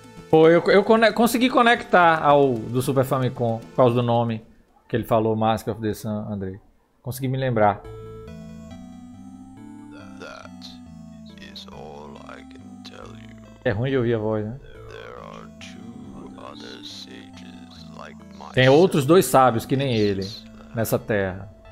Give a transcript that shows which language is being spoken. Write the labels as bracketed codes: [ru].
[pt] Pô, eu consegui conectar ao do Super Famicom por causa do nome que ele falou, Mask of the Sun, Andrei. Consegui me lembrar. [en] That is all I can tell you. [pt] É ruim de ouvir a voz, né? [en] There are two other sages like myself. [pt] Tem outros dois sábios que nem ele nessa terra.